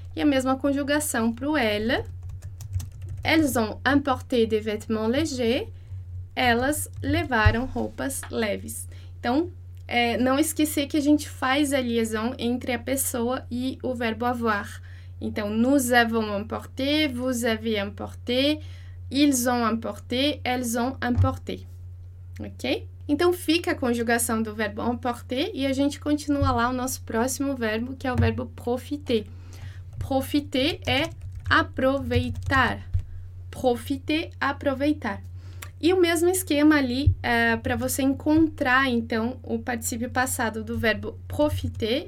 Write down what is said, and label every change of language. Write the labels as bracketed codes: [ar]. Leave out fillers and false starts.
[pt] E a mesma conjugação para o elle, [fr] elles ont emporté des vêtements légers, [pt] elas levaram roupas leves. Então, não esquecer que a gente faz a liaison entre a pessoa e o verbo avoir. [fr] Então, nous avons emporté, vous avez emporté, ils ont emporté, elles ont emporté. Ok? [pt] Então, fica a conjugação do verbo emporter e a gente continua lá o nosso próximo verbo, que é o verbo profiter. Profiter é aproveitar. Profiter, aproveitar. E o mesmo esquema ali para você encontrar, então, o particípio passado do verbo profiter.